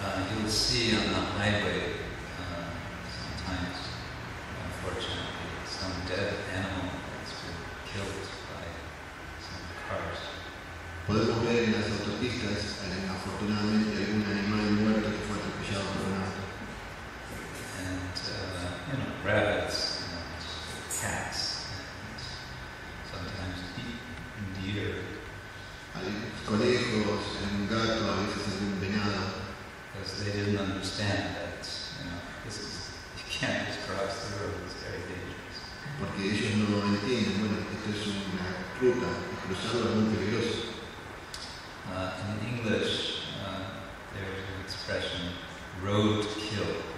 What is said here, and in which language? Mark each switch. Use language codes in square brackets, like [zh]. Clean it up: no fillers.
[en] You will see on the highway sometimes, unfortunately, some dead animal has been killed by some cars. [es] Podemos ver en las autopistas, afortunadamente, algún animal muerto que fue atropellado por un auto. [en] And you know, rabbits and cats, and sometimes deer. [es] Conejos, un gato, a veces algún venado. [en] Because they didn't understand that, you know, this is, you can't just cross the road, it's very dangerous. [es] Porque ellos no lo entienden, bueno, esto es una ruta, cruzarlo es muy peligroso. [en] In English, there's an expression, road kill.